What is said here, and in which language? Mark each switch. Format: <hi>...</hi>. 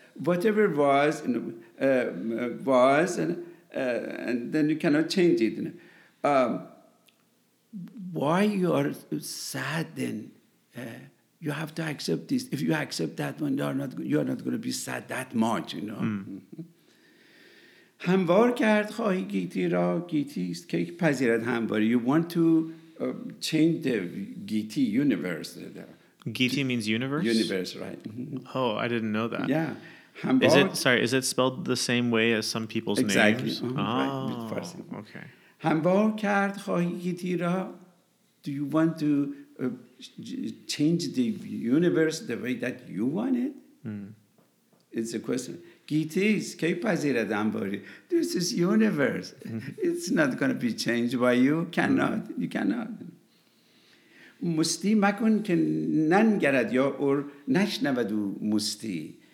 <en>Whatever was, you know, was, and then you cannot change it, you know. Why you are sad then? you have to accept this. If you accept that one, you are not going to be sad that much, you know.</en> <fa>هموار کرد خواهی گیتی را گیتی است که پذیرد همواری.</fa> <en>You want to change the گیتی universe. گیتی means universe? Universe, right. Oh, I didn't know that. Yeah. Hambar, is it spelled the same way as some people's exactly. names? Exactly. Oh, right. Okay.</en> <fa>هموار کرد خواهی گیتی را.</fa> <en>Do you want to change the universe the way that you want it? It's a question.</en> <fa>گیتی است که پذیرد همواری.</fa> <en>This is universe. It's not going to be changed by you. Cannot. You cannot.</en> <fa>مستی مکن که ننگرد یا اور نشنود و مستی.</fa>